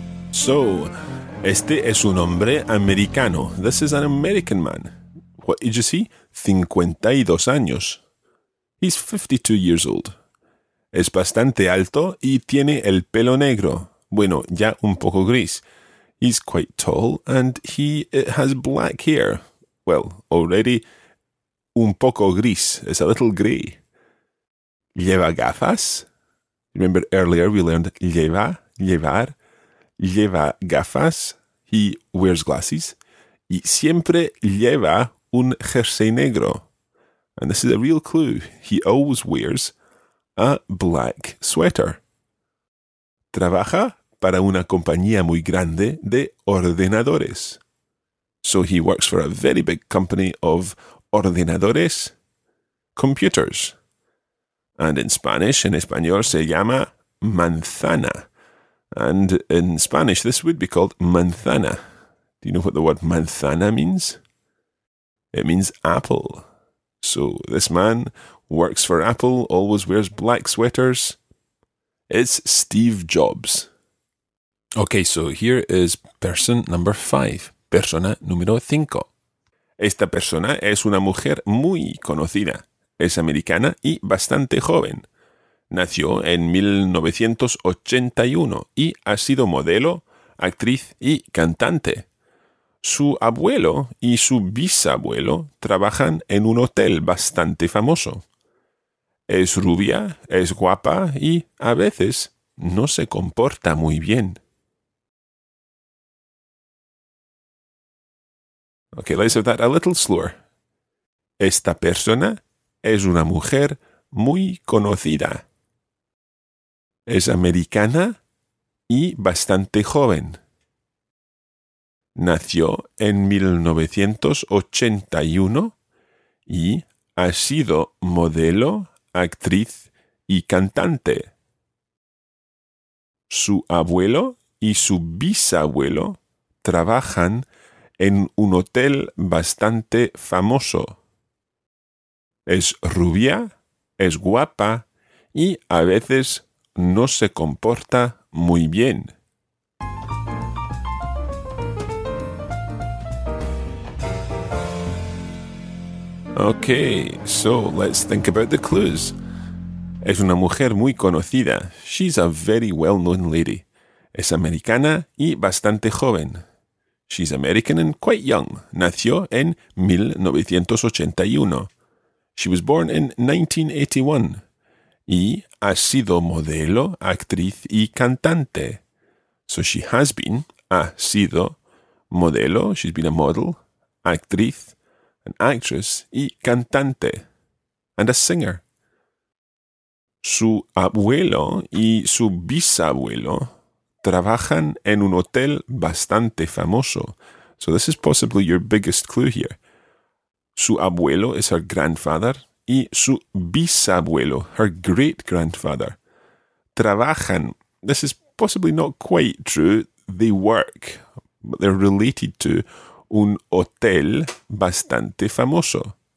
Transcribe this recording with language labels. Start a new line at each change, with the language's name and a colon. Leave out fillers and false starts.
Spanish: So, este es un hombre americano.
English: This is an American man. What did you see?
Spanish: 52 años.
English: He's 52 years old.
Spanish: Es bastante alto y tiene el pelo negro. Bueno, ya un poco gris.
English: He's quite tall and he has black hair. Well, already
Spanish: un poco gris.
English: It's a little gray.
Spanish: ¿Lleva gafas?
English: Remember earlier we learned lleva, llevar.
Spanish: Lleva gafas.
English: He wears glasses.
Spanish: Y siempre lleva un jersey negro.
English: And this is a real clue. He always wears a black sweater.
Spanish: Trabaja para una compañía muy grande de ordenadores.
English: So he works for a very big company of ordenadores, computers. And in Spanish,
Spanish: en español, se llama manzana.
English: And in Spanish, this would be called manzana. Do you know what the word manzana means? It means apple. So this man works for Apple, always wears black sweaters. It's Steve Jobs. Okay, so here is person number five.
Spanish: Persona número cinco. Esta persona es una mujer muy conocida. Es americana y bastante joven. Nació en 1981 y ha sido modelo, actriz y cantante. Su abuelo y su bisabuelo trabajan en un hotel bastante famoso. Es rubia, es guapa y, a veces, no se comporta muy bien.
English: Okay, let's have that a little slower.
Spanish: Esta persona es una mujer muy conocida. Es americana y bastante joven. Nació en 1981 y ha sido modelo, actriz y cantante. Su abuelo y su bisabuelo trabajan en un hotel bastante famoso. Es rubia, es guapa y a veces no se comporta muy bien.
English: Okay, so let's think about the clues.
Spanish: Es una mujer muy conocida.
English: She's a very well-known lady.
Spanish: Es americana y bastante joven.
English: She's American and quite young.
Spanish: Nació en 1981.
English: She was born in 1981.
Spanish: Y ha sido modelo, actriz y cantante.
English: So she has been,
Spanish: ha sido,
English: modelo, she's been a model, actriz, an actress,
Spanish: y cantante,
English: and a singer.
Spanish: Su abuelo y su bisabuelo trabajan en un hotel bastante famoso.
English: So this is possibly your biggest clue here. Su abuelo is her grandfather,
Spanish: y su bisabuelo,
English: her great-grandfather, trabajan. This is possibly not quite true. They work, but they're related to
Spanish: un hotel bastante famoso.